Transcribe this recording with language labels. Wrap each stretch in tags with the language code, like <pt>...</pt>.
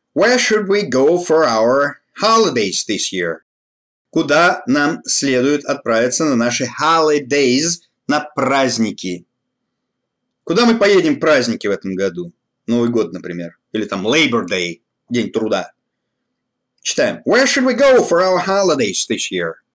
<en>Where should we go for our holidays this year?</en> <ru>Куда нам следует отправиться на наши holidays, на праздники? Куда мы поедем праздники в этом году? Новый год, например. Или там Labor Day, День труда. Читаем.</ru> <en>Where should we go for our holidays this year?</en>